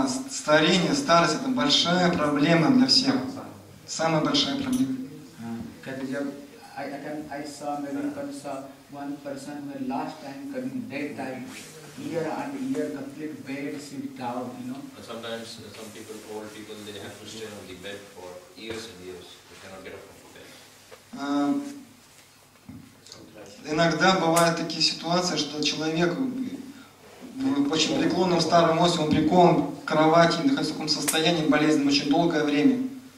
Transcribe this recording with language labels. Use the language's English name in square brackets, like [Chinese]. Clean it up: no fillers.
[Russian] Старение, старость – это большая проблема для всех. Самая большая проблема. [English] Sometimes some people, old people, they have to stay on the bed for years and years. They cannot get up from the bed. [Russian] Иногда бывают такие ситуации, что человек в очень преклонном старом возрасте, он прикован к кровати, находится в таком состоянии болезненном очень долгое время.